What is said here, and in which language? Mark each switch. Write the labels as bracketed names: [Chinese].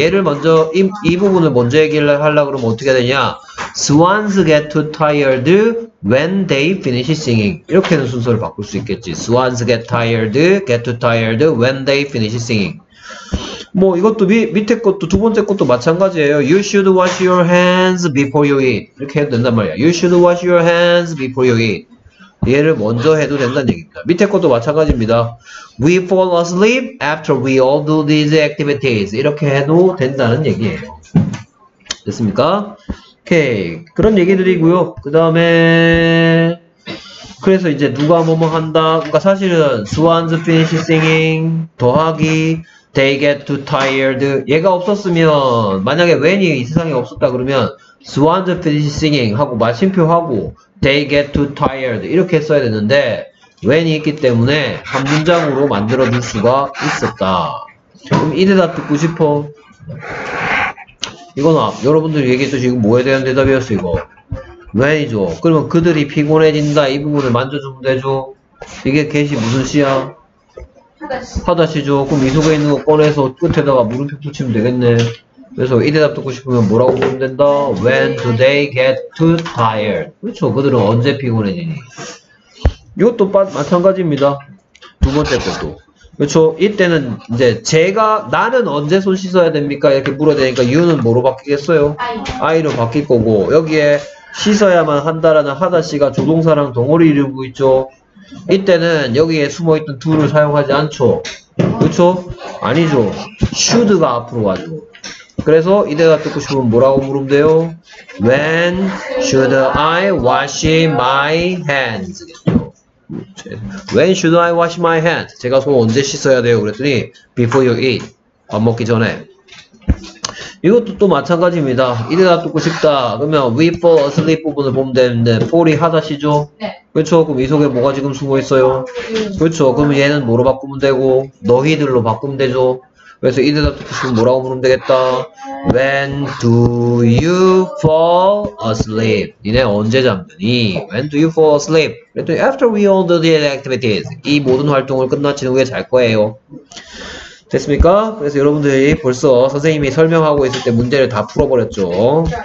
[Korean] 얘를 먼저 이 부분을 먼저 얘기를 하려고 그러면 어떻게 되냐 [English] swans get too tired when they finish singing [Korean] 이렇게는 순서를 바꿀 수 있겠지. [English] swans get too tired when they finish singing [Korean] 뭐 이것도 밑에 것도 두 번째 것도 마찬가지예요. [English] you should wash your hands before you eat [Korean] 이렇게 해도 된단 말이야. [English] you should wash your hands before you eat [Korean] 얘를 먼저 해도 된다는 얘기입니다. 밑에 것도 마찬가지입니다. [English] We fall asleep after we all do these activities. [Korean] 이렇게 해도 된다는 얘기예요. 됐습니까? 오케이. 그런 얘기들이고요. 그 다음에 그래서 이제 누가 뭐뭐 한다. 그러니까 사실은 [English] swans finish singing [Korean] 더하기 [English] they get too tired [Korean] 얘가 없었으면 만약에 when이 이 세상에 없었다 그러면 swans finish singing 하고 마침표 하고 [English] They get too tired [Korean] 이렇게 써야 되는데 when이 있기 때문에 한 문장으로 만들어 둘 수가 있었다. 그럼 이 대답 듣고 싶어? 이건 여러분들이 얘기했듯이 이거 뭐에 대한 대답이었어 이거? when이죠. 그러면 그들이 피곤해진다 이 부분을 만져주면 되죠. 이게 get이 무슨 시야? 하다시죠. 그럼 이 속에 있는 거 꺼내서 끝에다가 물음표 붙이면 되겠네. 그래서 이 대답 듣고 싶으면 뭐라고 보면 된다? [English] When do they get too tired? [Korean] 그렇죠. 그들은 언제 피곤해지니? 이것도 마찬가지입니다. 두 번째 것도. 그렇죠. 이때는 이제 제가 나는 언제 손 씻어야 됩니까? 이렇게 물어야 되니까 you는 뭐로 바뀌겠어요? I로 바뀔 거고 여기에 씻어야만 한다라는 하다시가 조동사랑 동어를 이루고 있죠. 이때는 여기에 숨어있던 do를 사용하지 않죠. 그렇죠? 아니죠. should가 앞으로 와죠. 그래서 이 대답 듣고 싶으면 뭐라고 물으면 돼요? [English] When should I wash my hands? When should I wash my hands? [Korean] 제가 손 언제 씻어야 돼요? 그랬더니 [English] Before you eat. [Korean] 밥 먹기 전에. 이것도 또 마찬가지입니다. 이 대답 듣고 싶다. 그러면 [English] We fall asleep [Korean] 부분을 보면 되는데 fall이 하다시죠? 네. 그렇죠? 그럼 이 속에 뭐가 지금 숨어 있어요? 그렇죠? 그럼 얘는 뭐로 바꾸면 되고 너희들로 바꾸면 되죠? 그래서 이 대답도 푸시면 뭐라고 부르면 되겠다. [English] When do you fall asleep? [Korean] 니네 언제 잠드니? [English] When do you fall asleep? [Korean] 그랬더니 [English] after we all do the activities. [Korean] 이 모든 활동을 끝나친 후에 잘 거예요. 됐습니까? 그래서 여러분들이 벌써 선생님이 설명하고 있을 때 문제를 다 풀어버렸죠.